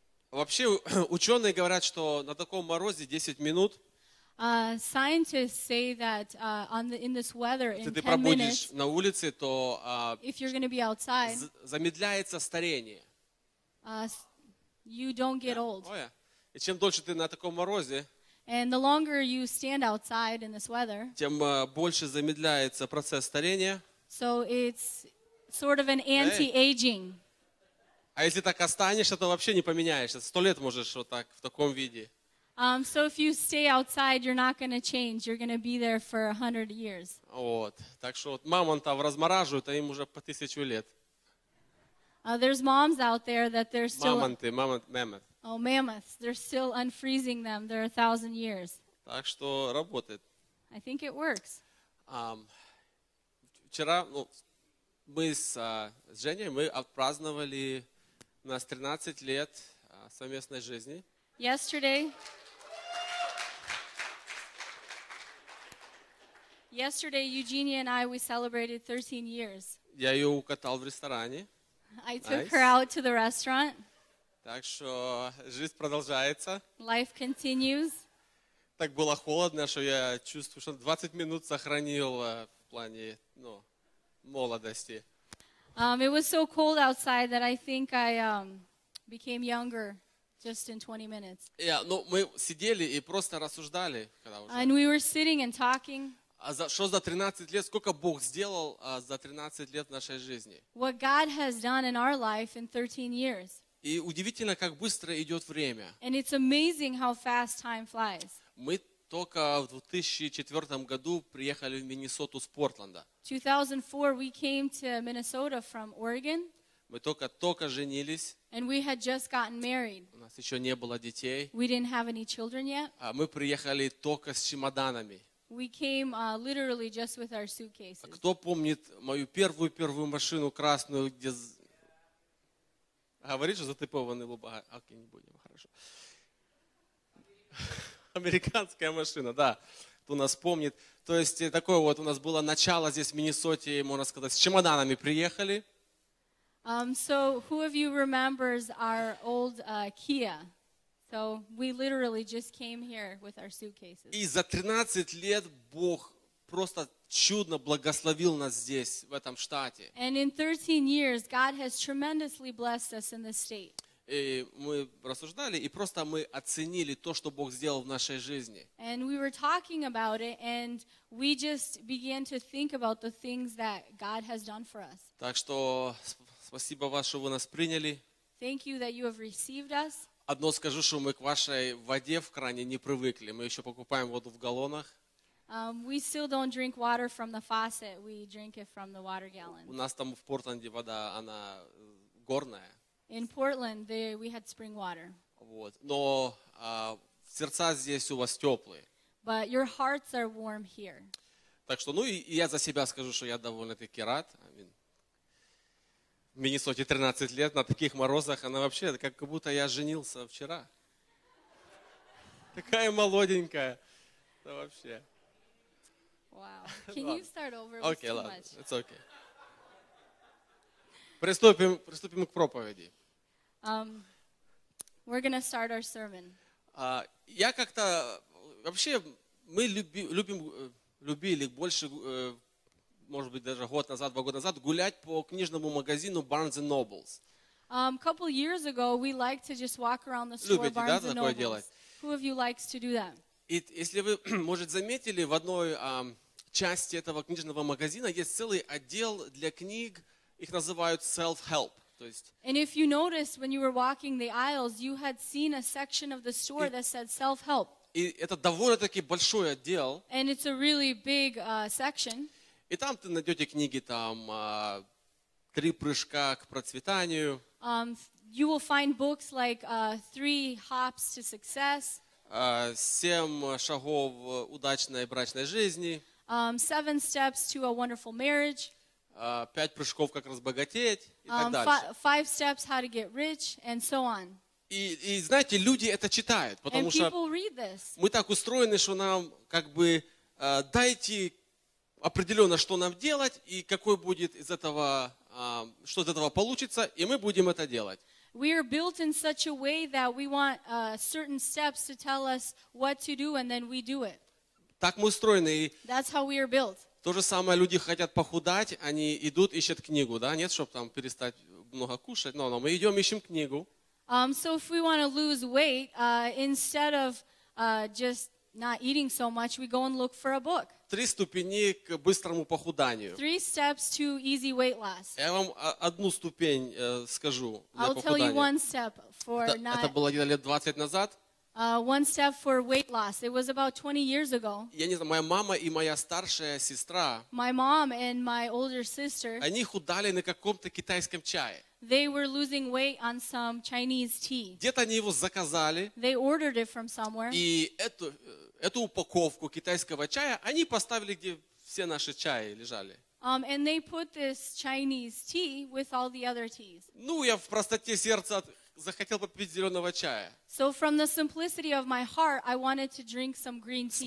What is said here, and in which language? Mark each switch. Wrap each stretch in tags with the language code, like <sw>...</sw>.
<ru>Вообще, ученые говорят, что на таком морозе 10 минут.</ru> <en>Scientists say that in this weather, in 10 minutes,</en> <ru>на улице, то,</ru> <en>if you're going to be outside,</en> <ru>замедляется старение.</ru> <en>You don't get old. Oh, yeah.</en> <ru>И чем дольше ты на таком морозе,</ru> <en>and the longer you stand outside in this weather,</en> <ru>тем больше замедляется процесс старения.</ru> <en>So it's sort of an anti-aging.</en> <ru>А если так останешься, то вообще не поменяешься. 100 лет можешь вот так, в таком виде.</ru> <en>So if you stay outside, you're not going to change. You're going to be there for 100 years.</en> <ru>Вот. Так что вот мамонтов размораживают, а им уже по 1000 лет.</ru> <en>There's moms out there that they're still...</en> <ru>Мамонты.</ru> <en>Oh, mammoths. They're still unfreezing them. They're 1,000 years.</en> <ru>Так что работает.</ru> <en>I think it works.</en> <ru>Вчера мы с Женей, мы отпраздновали у нас 13 лет совместной жизни.</ru> <en>Yesterday, Eugenia and I, we celebrated 13 years.</en> <ru>Я ее укатал в ресторане.</ru> <en>I took her out to the restaurant.</en> <ru>Так что жизнь продолжается.</ru> <en>Life continues.</en> <ru>Так было холодно, что я чувствую, что 20 минут сохранил в плане, молодости.</ru> <en>It was so cold outside that I think I became younger. Just in 20 minutes. Yeah,</en> <ru>ну мы сидели и просто рассуждали, когда уже.</ru> <en>And we were sitting and talking.</en> <ru>Что за 13 лет, сколько Бог сделал за 13 лет в нашей жизни?</ru> <en>What God has done in our life in 13 years.</en> <ru>И удивительно, как быстро идет время.</ru> <en>And it's amazing how fast time flies.</en> <ru>Мы только в 2004 году приехали в Миннесоту с Портленда.</ru> <en>2004 we came to Minnesota from Oregon.</en> <ru>Мы только женились.</ru> <en>And we had just gotten married.</en> <ru>У нас еще не было детей.</ru> <en>We didn't have any children yet.</en> <ru>А мы приехали только с чемоданами.</ru> <en>We came literally just with our suitcases.</en> <ru>Кто помнит мою первую машину красную, где говорит, что затыпованный лоб, окей, не будем, хорошо. Американская машина, да. Кто нас помнит. То есть такое вот у нас было начало здесь в Миннесоте, можно сказать, с чемоданами приехали.</ru> <en>So who of you remembers our old Kia? So we literally just came here with our suitcases.</en> <ru>И за 13 лет Бог просто чудно благословил нас здесь, в этом штате.</ru> <en>And in 13 years, God has tremendously blessed us in this state.</en> <ru>И мы рассуждали, и просто мы оценили то, что Бог сделал в нашей жизни.</ru> <en>And we were talking about it, and we just began to think about the things that God has done for us.</en> <ru>Так что... Спасибо вам, что вы нас приняли.</ru> <en>Thank you that you have received us.</en> <ru>Одно скажу, что мы к вашей воде в кране не привыкли. Мы еще покупаем воду в галлонах.</ru> <en>We still don't drink water from the faucet. We drink it from the water gallon.</en> <ru>У нас там в Портленде вода, она горная.</ru> <en>In Portland, we had spring water.</en> <ru>Вот. Но в Сердца здесь у вас теплые.</ru> <en>But your hearts are warm here.</en> <ru>Так что, ну и я за себя скажу, что я довольно-таки рад. В Миннесоте 13 лет, на таких морозах, она вообще, как будто я женился вчера. Такая молоденькая. Да вообще.</ru> <en>Wow. Can you start over with okay, too</en> <ru>ладно.</ru> <en>Much? It's okay.</en> <ru>Приступим к проповеди.</ru> <en>We're gonna start our sermon.</en> <ru>Я как-то вообще мы любили больше, может быть, даже год назад, два года назад гулять по книжному магазину Barnes and Nobles.</ru> <en>Couple years ago, we liked to just walk around the store.</en> <ru>Любите,</ru> <en>Barnes</en> <ru>да,</ru> <en>and</en> <ru>такое</ru> <en>Nobles.</en> <ru>Делать?</ru> <en>Who of you likes to do that?</en> <ru>И если вы, может, заметили, в одной части этого книжного магазина есть целый отдел для книг, их называют self-help.</ru> <en>And if you noticed when you were walking the aisles, you had seen a section of the store that said self-help.</en> <ru>И это довольно-таки большой отдел.</ru> <en>And it's a really big section.</en> <ru>И там ты найдете книги там «Три прыжка к процветанию».</ru> <en>You will find books like «Three hops to success».</en> <ru>«Семь шагов удачной брачной жизни».</ru> <en>«Seven steps to a wonderful marriage».</en> <ru>Пять прыжков, как разбогатеть, и так дальше.</ru> <en>Five steps, how to get rich, and so on.</en> <ru>И знаете, люди это читают, потому</ru> <en>and</en> <ru>что</ru> <en>people read this.</en> <ru>Мы так устроены, что нам как бы дайте определенно, что нам делать, и какой будет из этого, что из этого получится, и мы будем это делать.</ru> <en>We are built in such a way that we want certain steps to tell us what to do, and then we do it.</en> <ru>Так мы устроены.</ru> <en>That's how we are built.</en> <ru>То же самое, люди хотят похудать, они идут, ищут книгу, да, нет, чтобы там перестать много кушать, но мы идем, ищем книгу.</ru> <en>So if we want to lose weight, instead of just not eating so much, we go and look for a book.</en> <ru>Три ступени к быстрому похуданию.</ru> <en>Three steps to easy weight loss.</en> <ru>Я вам одну ступень скажу для похудания.</ru> <en>I'll tell you one step for not...</en> <ru>Это было где-то лет 20 назад.</ru> <en>One step for weight loss. It was about 20 years ago.</en> <ru>Я не знаю, моя мама и моя старшая сестра.</ru> <en>My mom and my older sister.</en> <ru>Они худали на каком-то китайском чае.</ru> <en>They were losing weight on some Chinese tea.</en> <ru>Где-то они его заказали.</ru> <en>They ordered it from somewhere.</en> <ru>И эту упаковку китайского чая они поставили, где все наши чаи лежали.</ru> <en>And they put this Chinese tea with all the other teas.</en> <ru>Ну, я в простоте сердца захотел попить зеленого чая.</ru> <en>So from the simplicity of my heart, I wanted to drink some green tea.</en>